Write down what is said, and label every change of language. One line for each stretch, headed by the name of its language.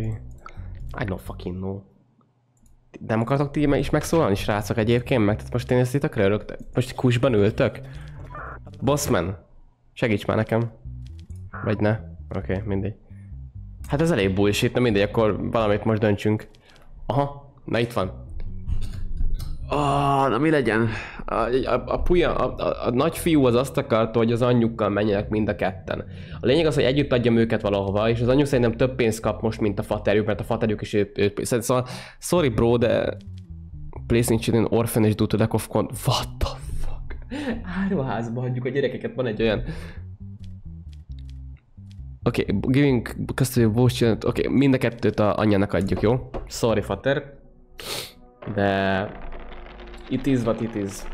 English: Okay. I don't fucking know.
Hungarian: Nem akartok ti is megszólalni, srácok, egyébként? Meg, tehát most én ezt itt örülök? Most kusban ültök? Bossman? Segíts már nekem. Vagy ne? Oké, okay, mindegy. Hát ez elég bullshit, na mindegy, akkor valamit most döntsünk. Aha, na itt van. Na mi legyen? A nagy fiú az azt akarta, hogy az anyjukkal menjenek mind a ketten. A lényeg az, hogy együtt adjam őket valahova, és az anyjuk szerintem több pénzt kap most, mint a faterjuk, mert a faterjuk is ő pénzt. Szóval,
English: sorry bro,
Hungarian: de...
English: Please need children orphan is due to lack of con... What the fuck?
Hungarian: Áruházba hagyjuk a gyerekeket, van egy olyan... Oké, okay,
English: giving custody of both children,
Hungarian: oké, okay, mind a kettőt a anyjának adjuk, jó? Sorry, fater. De...
English: It is what it is.